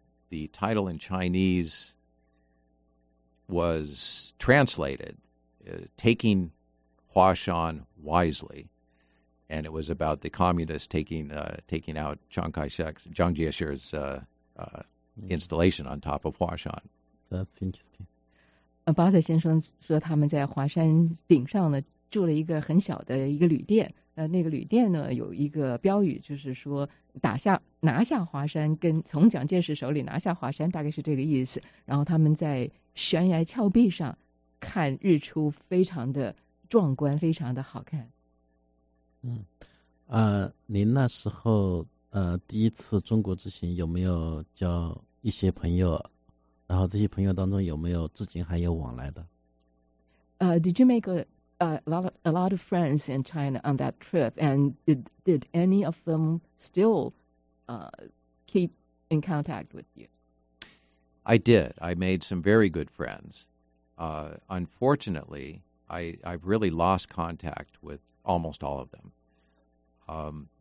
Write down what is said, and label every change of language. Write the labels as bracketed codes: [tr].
[en] The title in Chinese was translated, "Taking Huashan wisely," and it was about the communists taking out Chiang Kai-shek's, Chiang Jiaxue's installation on top of Huashan. That's interesting. [zh] Barter 先生说他们在华山顶上呢住了一个很小的一个旅店，那个旅店呢有一个标语，就是说拿下华山，跟从蒋介石手里拿下华山，大概是这个意思。然后他们在悬崖峭壁上看日出，非常的壮观，非常的好看。您那时候第一次中国之行有没有交一些朋友？然后这些朋友当中有没有至今还有往来的？ [en] Did you make a lot of friends in China on that trip? And did any of them still keep in contact with you? I did. I made some very good friends. Unfortunately, I've really lost contact with almost all of them.